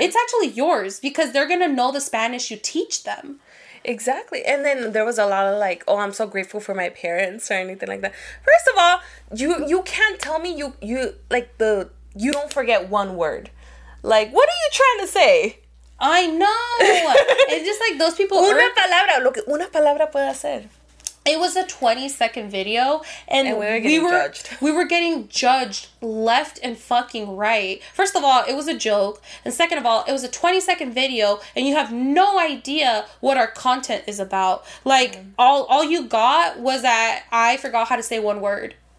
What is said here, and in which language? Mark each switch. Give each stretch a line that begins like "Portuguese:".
English: It's actually yours, because they're gonna know the Spanish you teach them. Exactly. And then there was a lot of like, oh, I'm so grateful for my parents or anything like that. First of all, you can't tell me you like the, you don't forget one word. Like, what are you trying to say? I know. It's just like those people.
Spanish: Una palabra, lo que una palabra puede hacer.
English: It was a 20-second video, and we were getting judged left and fucking right. First of all, it was a joke, and second of all, it was a 20-second video, and you have no idea what our content is about. Like, all you got was that I forgot how to say one word.